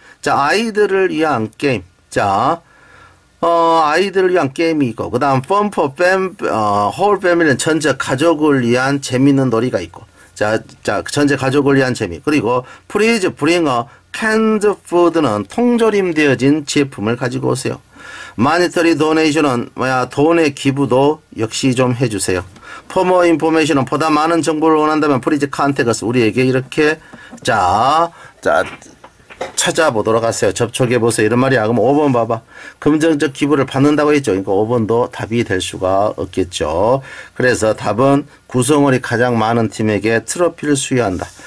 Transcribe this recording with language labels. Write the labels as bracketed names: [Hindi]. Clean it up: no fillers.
[Korean] 자, 아이들을 위한 게임. 자, 아이들을 위한 게임이 있고, 그 다음, [English] fun for fam, whole family [Korean] 는 전체 가족을 위한 재밌는 놀이가 있고, 자, 전체 가족을 위한 재미. 그리고, [English] please bring a canned food [Korean] 는 통조림되어진 제품을 가지고 오세요. [English] monetary donation [Korean] 은, 뭐야, 돈의 기부도 역시 좀 해주세요. [English] For more information은 [Korean] 보다 많은 정보를 원한다면 [English] please contact us. [Korean] 우리에게 이렇게 자 찾아보도록 하세요. 접촉해 보세요. 이런 말이야. 그럼 5번 봐봐. 긍정적 기부를 받는다고 했죠. 그러니까 5번도 답이 될 수가 없겠죠. 그래서 답은 구성원이 가장 많은 팀에게 트로피를 수여한다.